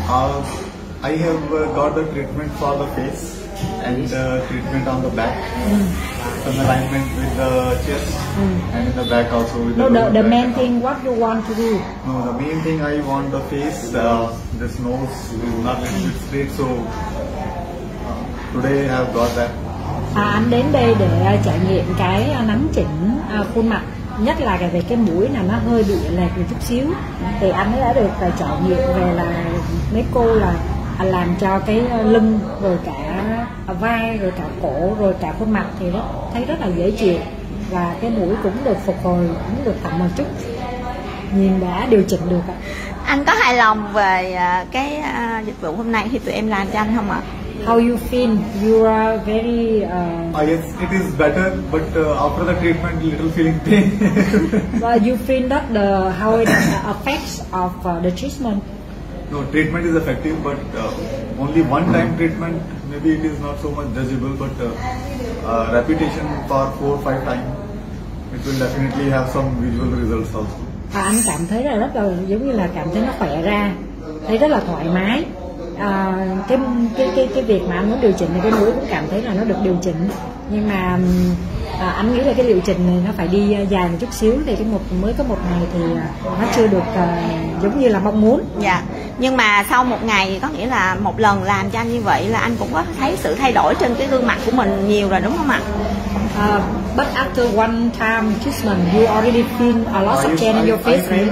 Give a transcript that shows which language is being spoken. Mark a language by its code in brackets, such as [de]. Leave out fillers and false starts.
[en] I have got the treatment for the face and the treatment on the back. Some alignment with the chest and in the back also with the main thing what you want to do. No, the main thing I want the face, this nose is not straight, so today I have got that. [vi] Anh đến đây để trải nghiệm cái nắng chỉnh khuôn mặt, nhất là về cái mũi là nó hơi bị lệch một chút xíu, thì anh ấy đã được trải nghiệm về là mấy cô là làm cho cái lưng rồi cả vai rồi cả cổ rồi cả khuôn mặt thì nó thấy rất là dễ chịu, và cái mũi cũng được phục hồi, cũng được tạm một chút, nhìn đã điều chỉnh được. Anh có hài lòng về cái dịch vụ hôm nay khi tụi em làm cho anh không ạ? [en] How you feel? You are very. Yes, it is better, but after the treatment, little feeling pain. But you feel that the how it affects of the treatment? No, treatment is effective, but only one time treatment. Maybe it is not so much visible, but repetition for 4-5 times, it will definitely have some visual results also. [vi] Anh cảm thấy là rất là giống như là cảm thấy nó khỏe ra, thấy rất là thoải mái. Cái việc mà anh muốn điều chỉnh thì cái mũi cũng cảm thấy là nó được điều chỉnh, nhưng mà anh nghĩ là cái điều chỉnh này nó phải đi dài một chút xíu, thì cái mới có một ngày thì nó chưa được giống như là mong muốn. Dạ, nhưng mà sau một ngày có nghĩa là một lần làm cho anh như vậy là anh cũng có thấy sự thay đổi trên cái gương mặt của mình nhiều rồi đúng không ạ? [en] But after one time treatment, you already feel a lot of change in your face.